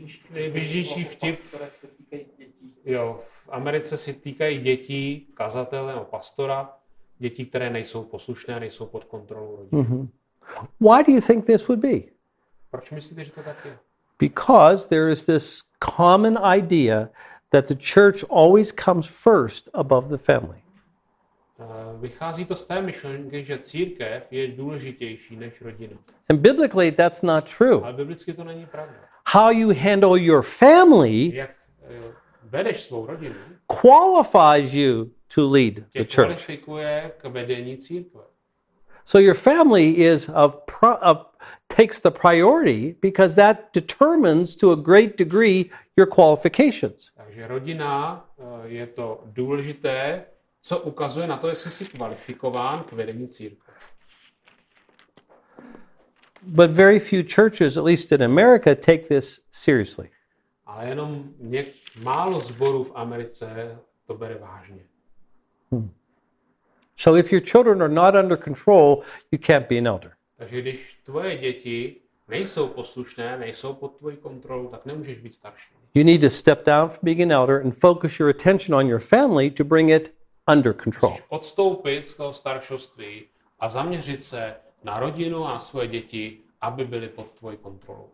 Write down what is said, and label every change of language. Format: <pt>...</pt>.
<cs>Nejběžnější vtip, jo, v Americe se týkají dětí kazatele nebo pastora, děti, které nejsou poslušné a nejsou pod kontrolou rodičů. Mm-hmm.</cs> <en>Why do you think this would be?</en> <cs>Proč myslíte, že to tak je?</cs> <en>Because there is this common idea that the church always comes first above the family.</en> <cs>Vychází to z té myšlenky, že církev je důležitější než rodina.</cs> <en>And biblically that's not true.</en> <cs>Ale biblicky to není pravda.</cs> <en>How you handle your family,</en> <cs>jak vedeš svou rodinu,</cs> <en>qualifies you to lead the church.</en> <cs>Kvalifikuje k vedení církve.</cs> <en>So your family is takes the priority because that determines to a great degree your qualifications.</en> <cs>Takže rodina je to důležité, co ukazuje na to, jestli jsi kvalifikován k vedení církve.</cs> <en>But very few churches, at least in America, take this seriously.</en> <cs>Ale jenom málo zborů v Americe to bere vážně.</cs> <en>So if your children are not under control, you can't be an elder.</en> <cs>Takže když tvoje děti nejsou poslušné, nejsou pod tvojí kontrolou, tak nemůžeš být starší.</cs> <en>You need to step down from being an elder and focus your attention on your family to bring it under control.</en> <cs>Musíš odstoupit z toho staršovství a zaměřit se na rodinu a na svoje děti, aby byly pod tvojí kontrolou.</cs>